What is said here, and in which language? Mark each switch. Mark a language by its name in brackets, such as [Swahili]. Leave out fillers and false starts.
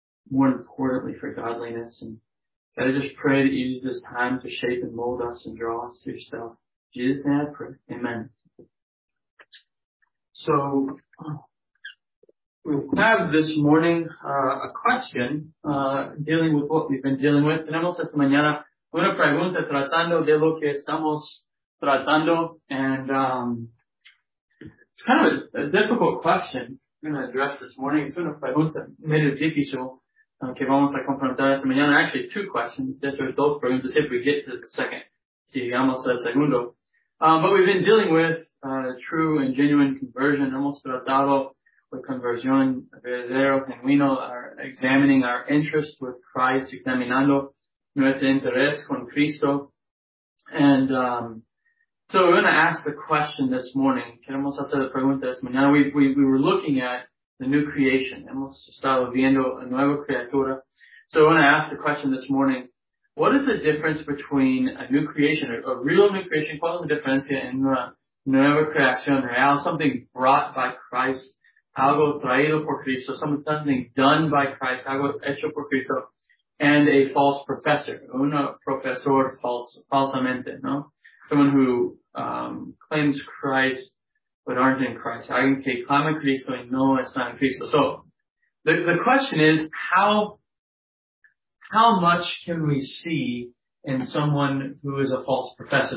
[English] More importantly, for godliness. And God, I just pray that you use this time to shape and mold us and draw us to yourself. In Jesus' name I pray. Amen. So, we have this morning a question dealing with what we've been dealing with. [Spanish] Tenemos esta mañana una pregunta tratando de lo que estamos tratando. [English] And it's kind of a difficult question I'm going to address this morning. [Spanish] Es una pregunta medio difícil que vamos a confrontar esta mañana. [English] Actually, two questions. [Spanish] Dentro de dos preguntas, [English] if we get to the second, [Spanish] si llegamos al segundo. [English] But we've been dealing with true and genuine conversion. [Spanish] Hemos tratado with conversión verdadero, genuino, [English] examining our interest with Christ, [Spanish] examinando nuestro interés con Cristo. [English] And so we're going to ask the question this morning. [Spanish] Queremos hacer la pregunta esta mañana. [English] We were looking at the new creation. [Spanish] Hemos estado viendo a nueva criatura. [English] So we're going to ask the question this morning. What is the difference between a new creation, a real new creation? [Spanish] ¿Cuál es la diferencia en una nueva creación real? [English] Something brought by Christ, [Spanish] algo traído por Cristo, [English] something done by Christ, [Spanish] algo hecho por Cristo, [English] and a false professor, [Spanish] un profesor falsamente, ¿no? [English] Someone who claims Christ but aren't in Christ. [Spanish] Alguien que clama Cristo y no está en Cristo. [English] So the question is how much can we see in someone who is a false professor?